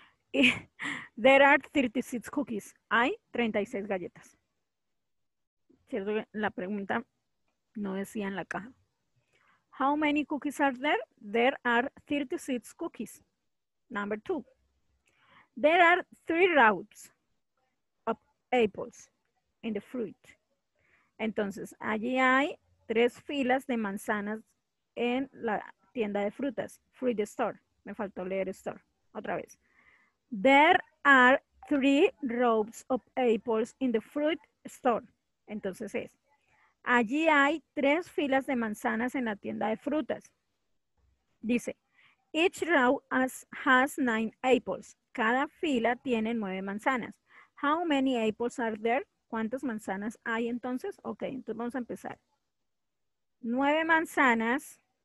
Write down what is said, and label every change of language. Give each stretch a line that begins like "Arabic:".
English: There are 36 cookies.
Spanish: Hay 36 galletas. ¿Cierto? La pregunta no decía en la caja.
English: How many cookies are there? There are 36 cookies. Number 2. There are 3 rows of apples in the fruit.
Spanish: Entonces, allí hay 3 filas de manzanas en la tienda de frutas.
English: Fruit store.
Spanish: Me faltó leer store. Otra vez.
English: There are 3 rows of apples in the fruit store.
Spanish: Entonces es. Allí hay 3 filas de manzanas en la tienda de frutas.
English: Dice, each row has 9 apples.
Spanish: Cada fila tiene 9 manzanas.
English: How many apples are there?
Spanish: ¿Cuántas manzanas hay entonces? Ok, entonces vamos a empezar. 9 manzanas.